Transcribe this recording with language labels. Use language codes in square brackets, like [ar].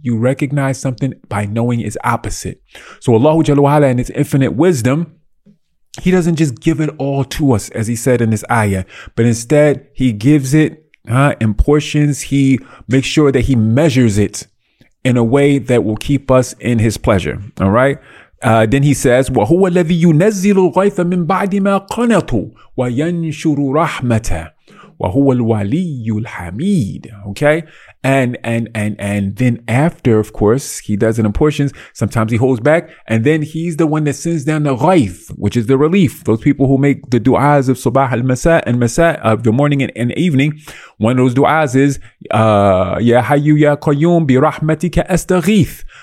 [en] You recognize something by knowing its opposite. So Allahu Jalla wa Ala, in its infinite wisdom, He doesn't just give it all to us, as He said in this ayah, but instead He gives it in portions. He makes sure that He measures it in a way that will keep us in His pleasure. All right. Then He says, [ar] وَهُوَ الَّذِي يُنَزِّلُ الْغَيْثَ مِنْ بَعْدِ مَا قَنَطُوا وَيَنْشُرُ رَحْمَتَهُ وَهُوَ الْوَلِيُّ الْحَمِيدُ. [en] Okay. And then after, of course, He does it in portions. Sometimes He holds back. And then He's the one that sends down the ghaith, which is the relief. Those people who make the du'as of subah al-masa and masa of the morning and evening. One of those du'as is, [ar] ya hayyu ya qayyum bi rahmatika astaghith.